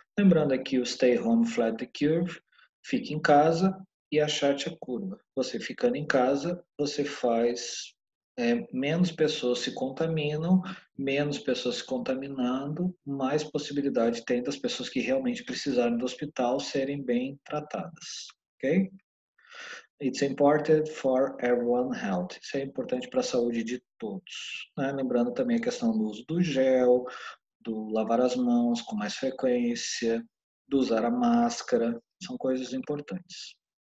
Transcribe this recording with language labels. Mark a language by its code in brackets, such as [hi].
[pt] Lembrando aqui o [en] stay home, flat the curve, [pt] fique em casa, e achate a curva. Você ficando em casa, você faz. Menos pessoas se contaminam, menos pessoas se contaminando, mais possibilidade tem das pessoas que realmente precisarem do hospital serem bem tratadas. Ok? [en] It's important for everyone health. [pt] Isso é importante para a saúde de todos. Né? Lembrando também a questão do uso do gel, do lavar as mãos com mais frequência, do usar a máscara, são coisas importantes.